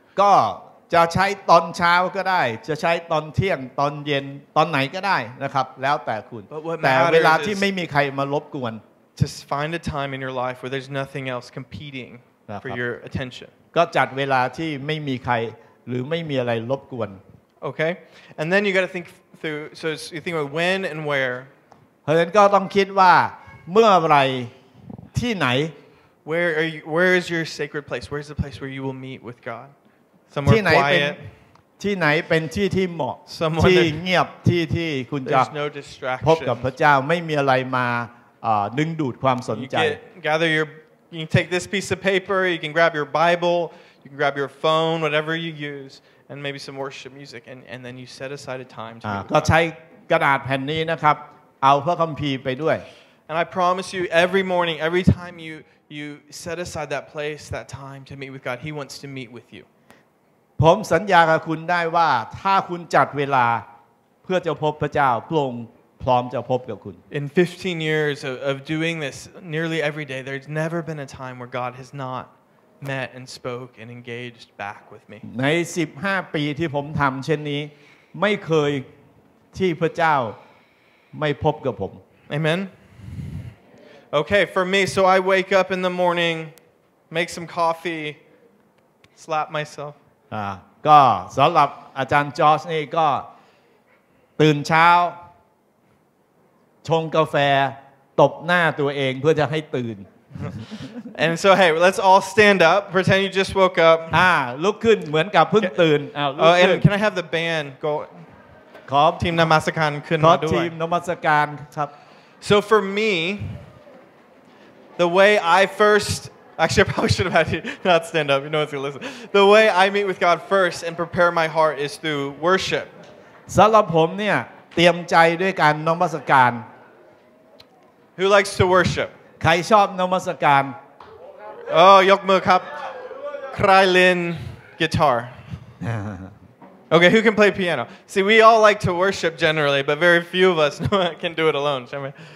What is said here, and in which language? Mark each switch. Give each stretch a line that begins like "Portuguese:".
Thai: ก็จะใช้ตอนเช้าก็ได้จะใช้ตอนเที่ยงตอนเย็นตอนไหนก็ได้นะครับแล้วแต่คุณแต่เวลาที่ไม่มีใครมารบกวน
English: Just find a time in your life where there's nothing else competing for your attention
Thai: ก็จัดเวลาที่ไม่มีใครหรือไม่มีอะไรรบกวน
English: Okay and then you got to think through so you think about when and where
Thai: เพราะฉะนั้นก็ต้องคิดว่าเมื่อไรที่ไหน
English: Where is your sacred place? Where is the place where you will meet with God? Somewhere quiet.
Thai: ที่ไหนเป็นที่ที่เหมาะ
English: Someone
Thai: ที่เงียบที่ที่คุณจะ
English: no distractions.
Thai: พบกับพระเจ้าไม่มีอะไรมาดึงดูดความสนใจ
English: Gather your you can take this piece of paper, you can grab your Bible, you can grab your phone, whatever you use and maybe some worship music and then you set aside a time to
Thai: ก็ใช้กระดาษแผ่นนี้นะครับเอาพระคัมภีร์ไปด้วย
English: And I promise you every morning every time you set aside that place that time to meet with God he wants to meet with you
Thai: ผมสัญญากับคุณได้ว่าถ้าคุณจัดเวลาเพื่อจะพบพระเจ้าพระองค์พร้อมจะพบกับคุณ
English: In 15 years of doing this nearly every day there's never been a time where God has not met and spoke and engaged back with me
Thai: ใน15ปีที่ผมทำเช่นนี้ไม่เคยที่พระเจ้าไม่พบกับผม
English: Amen Okay for me so I wake up in the morning make some coffee slap myself
Thai: ก็สำหรับอาจารย์จอร์จนี่ก็ตื่นเช้าชงกาแฟตบหน้าตัวเองเพื่อจะให้ตื่น
English: And so hey let's all stand up pretend you just woke up
Thai: ลุกขึ้นเหมือนกับเพิ่งตื่น
English: And can I have the band go
Thai: ขอ ทีมนมัสการขึ้น ม าด้วย ขอทีมนมัสการครับ
English: So for me the way I firstActually, I probably should have had you not stand up. You know, it's gonna listen. The way I meet with God first and prepare my heart is through worship. สำหรับผมเนี่ยเตรียมใจด้วยการนมัสการ Who likes to worship? ใครชอบนมัสการ Oh,
Thai: ยกมือครับ
English: Krylin guitar. Okay, who can play piano? See, we all like to worship generally, but very few of us can do it alone.
Thai: ใช่ไหม